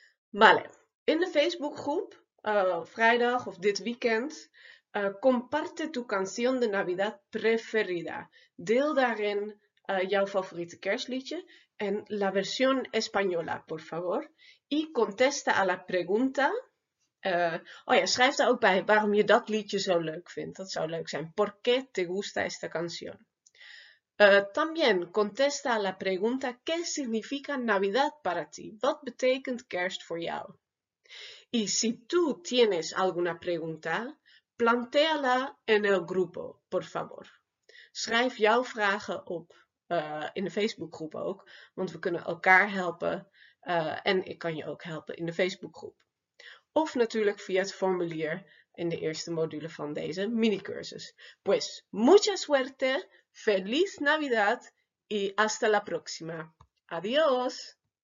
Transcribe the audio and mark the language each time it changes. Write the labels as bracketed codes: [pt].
[es] Vale. [nl] In de Facebookgroep, vrijdag of dit weekend, [es] comparte tu canción de Navidad preferida. [nl] Deel daarin jouw favoriete kerstliedje [es] en la versión española, por favor. Y contesta a la pregunta. [nl] Schrijf daar ook bij waarom je dat liedje zo leuk vindt. Dat zou leuk zijn. [es] ¿Por qué te gusta esta canción? También contesta a la pregunta ¿qué significa Navidad para ti? [nl] Wat betekent kerst voor jou? [es] Y si tú tienes alguna pregunta, plantéala en el grupo, por favor. [nl] Schrijf jouw vragen op in de Facebookgroep ook, want we kunnen elkaar helpen en ik kan je ook helpen in de Facebookgroep. Of natuurlijk via het formulier in de eerste module van deze mini-cursus. [es] Pues, mucha suerte, feliz Navidad y hasta la próxima. Adiós!